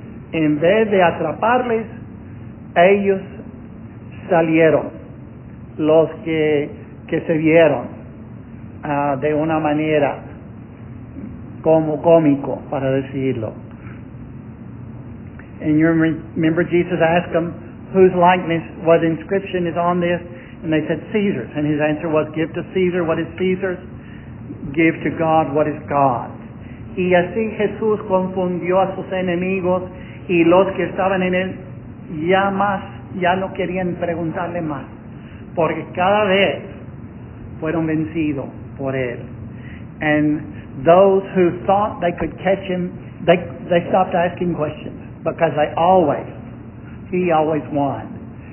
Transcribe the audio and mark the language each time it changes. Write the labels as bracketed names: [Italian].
[Spanish] En vez de atraparles, ellos salieron, los que se vieron de una manera como cómico, para decirlo. [English] And you remember Jesus asked them, whose likeness, what inscription is on this? And they said, Caesar's. And his answer was, give to Caesar what is Caesar's, give to God what is God's. [Spanish] Y así Jesús confundió a sus enemigos y los que estaban en él ya no querían preguntarle más, porque cada vez fueron vencidos por él. [English] And those who thought they could catch him, they stopped asking questions, because he always won.